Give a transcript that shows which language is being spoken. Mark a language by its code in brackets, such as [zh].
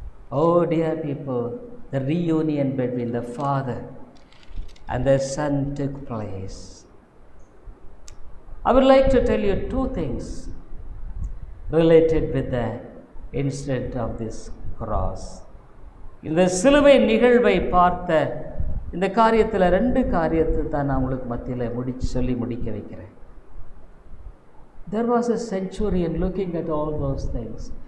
[en] Oh dear people, the reunion between the Father and the Son took place. I would like to tell you two things related with the incident of this cross. [ta] இந்த சிலுவை நிகழ்வை பார்த்த இந்த காரியத்தில் ரெண்டு காரியத்தை தான் நான் உங்களுக்கு மத்தியில் சொல்லி முடிக்க வைக்கிறேன். [en] There was a centurion looking at all those things.